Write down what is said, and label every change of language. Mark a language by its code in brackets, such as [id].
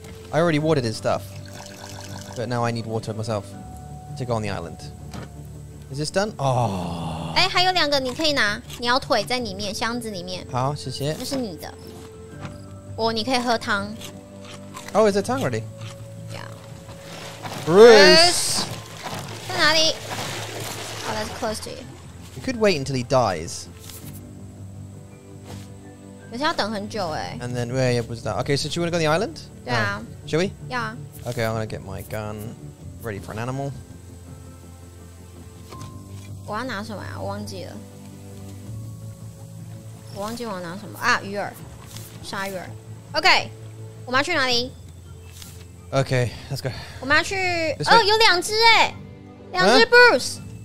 [en] I already watered his stuff, but now I need water myself to go on the island. Is this done? Oh. [zh] 哎，还有两个，你可以拿鸟腿在里面箱子里面。好，谢谢。那是你的。哦，你可以喝汤。 [en] Oh, is it time already? Yeah. Bruce, [zh] 在哪里 [en] ？Oh, that's close to you. You could wait until he dies. [zh] 可是要等很久哎。 [en] And then where? Yeah, [zh] 不知道。 [en] Okay, so you want to go on the island? Yeah. Shall we? Yeah. Okay, I'm gonna get my gun ready for an animal. [zh] 我要拿什么呀？我忘记了。我忘记我要拿什么啊？鱼饵，鲨鱼饵。Okay, 我们要去哪里 [en] ？Okay, let's go. [zh] 我们要去。哦，有两只哎，两只 Bruce.